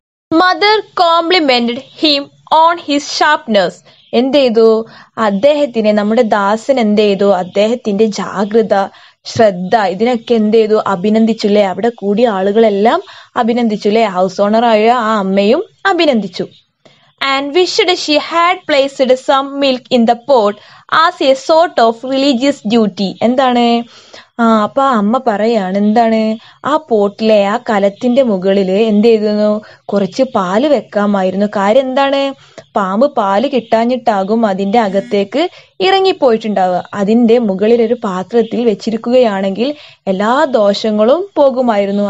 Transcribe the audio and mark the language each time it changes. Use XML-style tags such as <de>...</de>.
<en>Mother complimented him on his sharpness.</en> <ml>എന്ത് ചെയ്തു അദ്ദേഹത്തിനെ നമ്മുടെ ദാസൻ, എന്ത് ചെയ്തു അദ്ദേഹത്തിന്റെ ജാഗ്രത ശ്രദ്ധ ഇതിനൊക്കെ എന്ത് ചെയ്തു അഭിനന്ദിച്ചു അല്ലേ, അവിടെ കൂടിയ ആളുകളെല്ലാം അഭിനന്ദിച്ചു അല്ലേ, ഹൗസ് ഓണറായ ആ അമ്മയും അഭിനന്ദിച്ചു.</ml> <en>And wished she had placed some milk in the pot as a sort of religious duty.</en> <ml>എന്താണ് ആ, അപ്പൊ അമ്മ പറയാണ് എന്താണ് ആ പോട്ടിലെ ആ കലത്തിന്റെ മുകളില് എന്ത് ചെയ്തിരുന്നു, കുറച്ച് പാല് വെക്കാമായിരുന്നു. കാര്യം എന്താണ്, പാമ്പ് പാല് കിട്ടാഞ്ഞിട്ടാകും അതിന്റെ അകത്തേക്ക് ഇറങ്ങിപ്പോയിട്ടുണ്ടാവുക. അതിന്റെ മുകളിൽ ഒരു പാത്രത്തിൽ വെച്ചിരിക്കുകയാണെങ്കിൽ എല്ലാ ദോഷങ്ങളും പോകുമായിരുന്നു.</ml>